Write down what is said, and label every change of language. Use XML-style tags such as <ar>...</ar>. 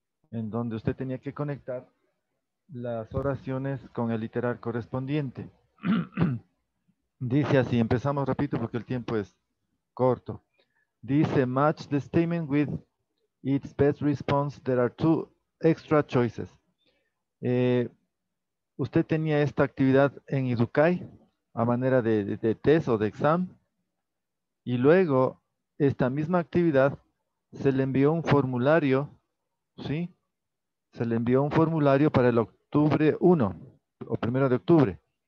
<es>en donde usted tenía que conectar las oraciones con el literal correspondiente. Dice así, empezamos rápido porque el tiempo es corto.</es> <en>Dice, match the statement with its best response. There are two extra choices.</en> <es>Usted tenía esta actividad en Educai a manera de test o de examen. Y luego, esta misma actividad se le envió un formulario, ¿sí? Se le envió un formulario para el octubre 1 o primero de octubre.</es>